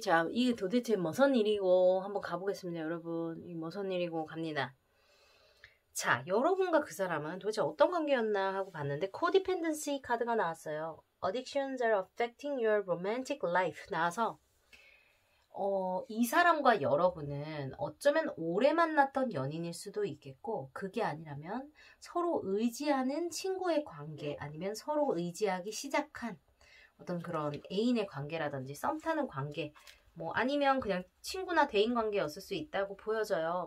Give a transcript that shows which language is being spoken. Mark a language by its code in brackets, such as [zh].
[ko] 자, 이게 도대체 무슨 일이고 한번 가보겠습니다. 여러분. 이게 무슨 일이고 갑니다. 자, 여러분과 그 사람은 도대체 어떤 관계였나 하고 봤는데 codependency 카드가 나왔어요. [en] Addictions are affecting your romantic life. [ko] 나와서 이 사람과 여러분은 어쩌면 오래 만났던 연인일 수도 있겠고 그게 아니라면 서로 의지하는 친구의 관계 아니면 서로 의지하기 시작한 어떤 그런 애인의 관계라든지 썸 타는 관계 뭐 아니면 그냥 친구나 대인 관계였을 수 있다고 보여져요.